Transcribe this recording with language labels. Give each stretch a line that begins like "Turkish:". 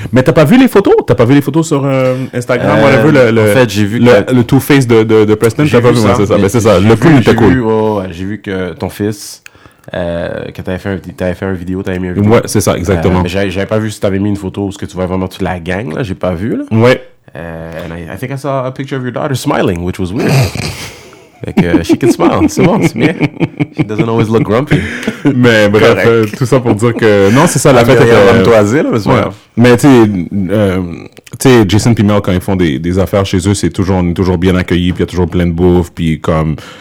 French: Mais t'as pas vu les photos? T'as pas vu les photos sur Instagram? J'ai vu le Two-Face de Preston. J'ai vu ça. Ouais, c'est ça. Mais c'est ça. Le plus était cool. J'ai vu que ton fils, quand t'avais fait une vidéo, t'avais mis un vidéo. Ouais, c'est ça, exactement. J'avais pas vu si t'avais mis une photo ou ce que tu vois vraiment toute la gang, là. J'ai pas vu, là. Ouais.
English: And I think I saw a picture of your daughter smiling, which was weird.
French: Fait que,
English: she can smile,
French: c'est bon, c'est bien.
English: She doesn't always look grumpy.
French: Mais bref, tout ça pour dire que... Non, c'est ça, la fête était... Elle toi asile, mais c'est Mais tu sais, Jason et Mel, quand ils font des affaires chez eux, c'est toujours, on est toujours bien accueillis, puis il y a toujours plein de bouffe, puis comme...